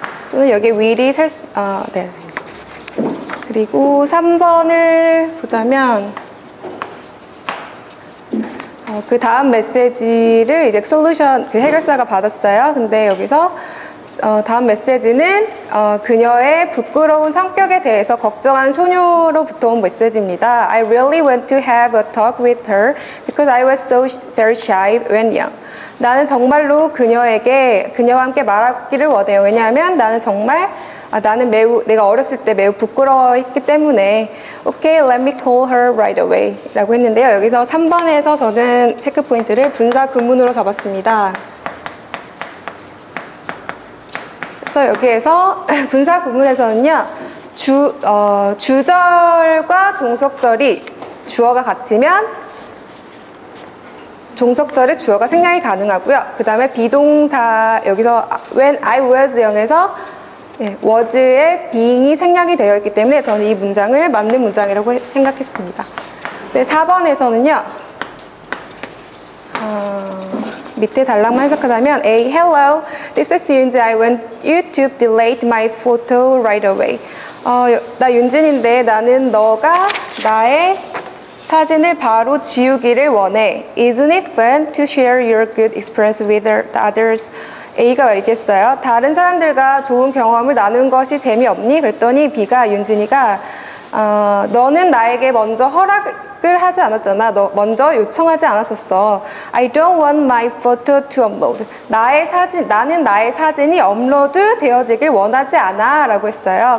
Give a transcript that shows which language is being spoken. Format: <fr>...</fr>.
<ko>또는 여기 will이 살 수, 네. 그리고 3번을 보자면 그 다음 메시지를 이제 솔루션, 그 해결사가 받았어요. 근데 여기서 다음 메시지는 그녀의 부끄러운 성격에 대해서 걱정한 소녀로부터 온 메시지입니다.</ko> <en>I really want to have a talk with her because I was so very shy when young.</en> <ko>나는 정말로 그녀에게 그녀와 함께 말하기를 원해요. 왜냐하면 나는 정말 나는 매우 내가 어렸을 때 매우 부끄러웠기 때문에</ko> <en>Okay, let me call her right away</en> <ko>라고 했는데요. 여기서 3번에서 저는 체크 포인트를 분사 근문으로 잡았습니다. 그래서 여기에서 분사 근문에서는요 주절과 종속절이 주어가 같으면 종속절의 주어가 생략이 가능하고요. 그 다음에 비동사 여기서</ko> <en>when I was young</en> <ko>에서 네, was의 being이 생략이 되어 있기 때문에 저는 이 문장을 맞는 문장이라고 생각했습니다. 네, 4번에서는요 밑에 단락만 해석하자면 A.</ko> <en>Hello, this is Yunjin. I want you to delete my photo right away.</en> <ko>나 윤진인데 나는 너가 나의 사진을 바로 지우기를 원해.</ko> <en>Isn't it fun to share your good experience with the others?</en> <ko>A가 말했어요. 다른 사람들과 좋은 경험을 나눈 것이 재미없니? 그랬더니 B가, 윤진이가 너는 나에게 먼저 허락을 하지 않았잖아. 너 먼저 요청하지 않았었어.</ko> <en>I don't want my photo to upload.</en> <ko>나는 나의 사진이 업로드 되어지길 원하지 않아 라고 했어요.</ko>